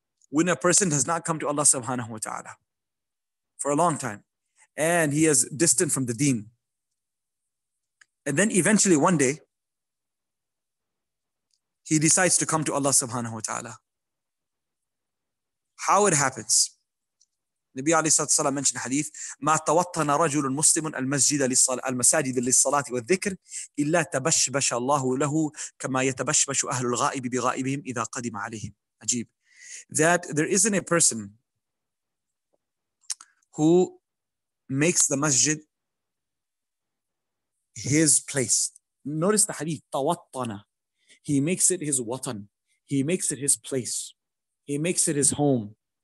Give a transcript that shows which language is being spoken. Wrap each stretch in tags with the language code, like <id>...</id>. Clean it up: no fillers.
<en>When a person has not come to Allah subhanahu wa ta'ala for a long time and he is distant from the deen. And then eventually one day, he decides to come to Allah subhanahu wa ta'ala. How it happens? Nabi alayhi salatu wasalam mentioned hadith,</en> <ar>مَا تَوَطَّنَ رَجُلٌ مُسْلِمٌ الْمَسْجِدَ لِلصَّلَاةِ وَالذِّكْرِ إِلَّا تَبَشْبَشَ اللَّهُ لَهُ كَمَا يَتَبَشْبَشُ أَهْلُ الْغَائِبِ بِغَائِبِهِمْ إِذَا قَدِمَ عَلَيْهِمْ.</ar> <en>Ajib. That there isn't a person who makes the masjid his place. Notice the hadith, تَوَطَّنَ. He makes it his watan. He makes it his place. He makes it his home.</en>